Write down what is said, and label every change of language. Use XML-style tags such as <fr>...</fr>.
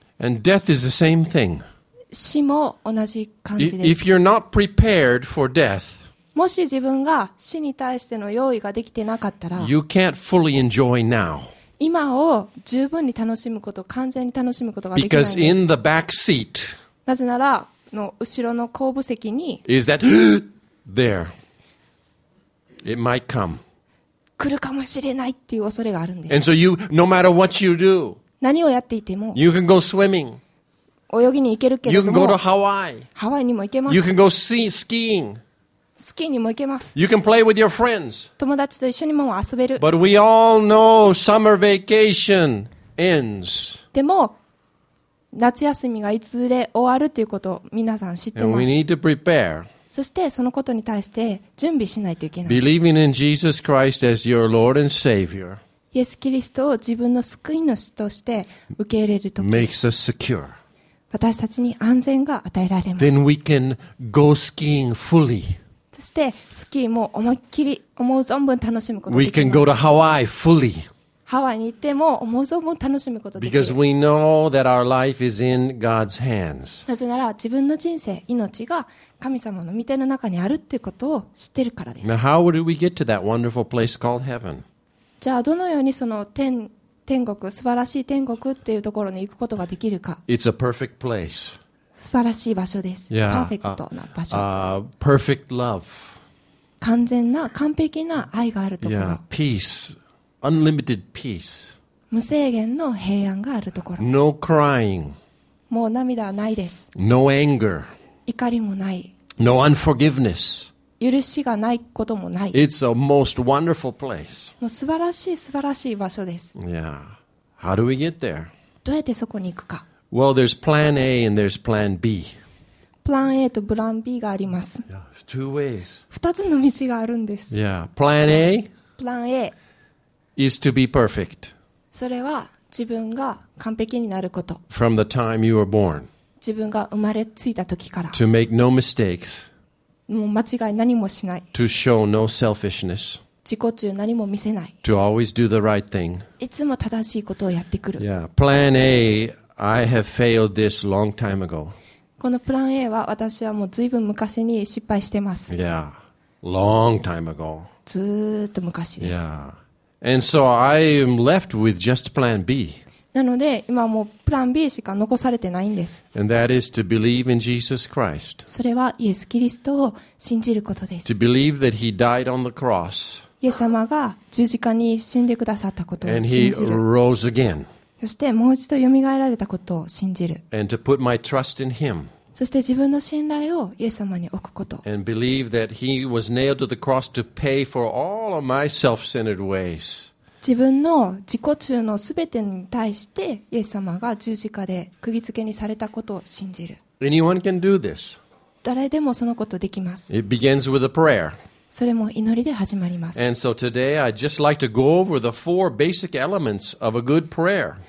<en>And death is the same thing.</en> <ja>死も同じ感じです。</ja> <en>If you're not prepared for death,</en> <ja>もし自分が死に対しての用意ができてなかったら、</ja> <en>you can't fully enjoy now.</en> <ja>今を十分に楽しむこと、完全に楽しむことができないんです。</ja> <en>Because in the back seat,</en> <ja>なぜなら、後ろの後部席に、</ja> <en>is that there? It might come.</en> <ja>来るかもしれないっていう恐れがあるんです。</ja> <en>And so you, no matter what you do,</en> <ja>何をやっていても、</ja> <en>you can go swimming.</en> <ja>泳ぎに行けるけれども、</ja> <en>you can go to Hawaii.</en> <ja>ハワイにも行けます。</ja> <en>You can go skiing.</en> <ja>スキーにも行けます。</ja> <en>You can play with your friends.</en> <ja>友達と一緒にも遊べる。</ja> <en>But we all know summer vacation ends.</en> <ja>でも夏休みがいつで終わるということを皆さん知ってます。</ja> <en>And we need to prepare.</en> <ja>そしてそのことに対して準備しないといけない。</ja> <en>Believing in Jesus Christ as your Lord and Savior.</en> <ja>イエス・キリストを自分の救い主として受け入れると</ja> <en>き。Makes us secure.</en> <ja>私たちに安全が与えられます。</ja> <en>Then we can go skiing fully.</en> <ja>そしてスキーも思いっきり思う存分楽しむことができ</ja> <en>る。We can go to Hawaii fully.</en> <ja>ハワイに行っても思う存分楽しむことができる。</ja> <en>Because we know that our life is in God's hands.</en> <ja>なぜなら自分の人生、命が神様の御手の中にあるっていうことを知ってるからです。</ja> <en>Now how would we get to that wonderful place called heaven?</en> <ja>じゃあどのようにその天国、素晴らしい天国っていうところに行くことができるか。</ja> <en>It's a perfect place.</en> <ja>素晴らしい場所です。</ja> <en>Yeah,</en> <ja>パーフェクトな場所。</ja> <en>Perfect love.</en> <ja>完全な、完璧な愛があるところ。</ja> <en>Yeah, peace. Unlimited peace.</en> <ja>無制限の平安があるところ。</ja> <en>No crying.</en> <ja>もう涙はないです。</ja> <en>No anger.</en> <ja>怒りもない。</ja> <en>No unforgiveness.</en> <ja>許しがないこともない。</ja> <en>It's a most wonderful place.</en> <ja>もう素晴らしい、素晴らしい場所です。</ja> <en>Yeah. How do we get there?</en> <ja>どうやってそこに行くか。</ja> <en>Well, there's plan A and there's plan B.</en> <ja>Plan A とプラン B があります。</ja> <en>Yeah, two ways.</en> <ja>二つの道があるんです。</ja> <en>Yeah, plan A. Plan A is to be perfect.</en> <ja>それは自分が完璧になること。</ja> <en>From the time you were born.</en> <ja>自分が生まれついた時から。</ja> <en>To make no mistakes.</en> <ja>もう間違い何もしない。</ja> <en>To show no selfishness.</en> <ja>自己中何も見せない。</ja> <en>To always do the right thing.</en> <ja>いつも正しいことをやってくる。</ja> <en>Yeah. Plan A, I have failed this long time ago.</en> <ja>このプラン A は私はもう随分昔に失敗してます。</ja> <en>Yeah. Long time ago.</en> <ja>ずっと昔です。</ja> <en>Yeah. And so I am left with just plan B.</en> <ja>なので今もうプラン B しか残されてないんです。</ja> <en>And that is to believe in Jesus Christ.</en> <ja>それはイエス・キリストを信じることです。</ja> <en>To believe that he died on the cross.</en> <ja>イエス様が十字架に死んでくださったことを信じる。</ja> <en>And he rose again.</en> <ja>そしてもう一度蘇られたことを信じる。</ja> <en>And to put my trust in him.</en> <ja>そして自分の信頼をイエス様に置くこと。</ja> <en>And believe that he was nailed to the cross to pay for all of my self-centered ways.</en> <ja>自分の自己中のすべてに対してイエス様が十字架で釘付けにされたことを信じる。</ja> <en>Anyone can do this.</en> <ja>誰でもそのことできます。</ja> <en>It begins with a prayer.</en> <ja>それも祈りで始まります。</ja> <en>And so today I'd just like to go over the four basic elements of a good prayer.</en>